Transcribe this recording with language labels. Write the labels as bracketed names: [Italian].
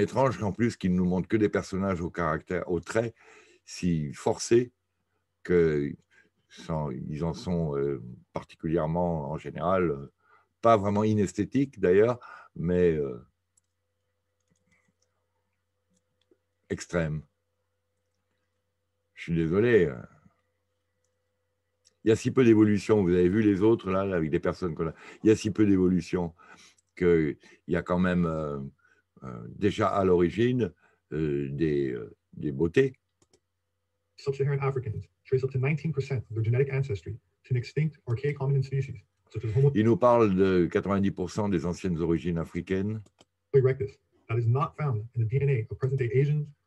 [French] étrange qu'en plus qu'ils ne nous montrent que des personnages au caractère, aux traits si forcés qu'ils en sont particulièrement en général pas vraiment inesthétiques d'ailleurs, mais extrême. Je suis désolé. Il y a si peu d'évolution. Vous avez vu les autres, là, avec des personnes qu'on a. Il y a si peu d'évolution qu'il y a quand même déjà à l'origine des beautés. [English] Sub-Saharan Africans trace up to 19% of their genetic ancestry to an extinct archaic hominin species, such as Homo. [French] Il nous parle de 90% des anciennes origines africaines. [English] Erectus, that is not found in the DNA of present-day Asians.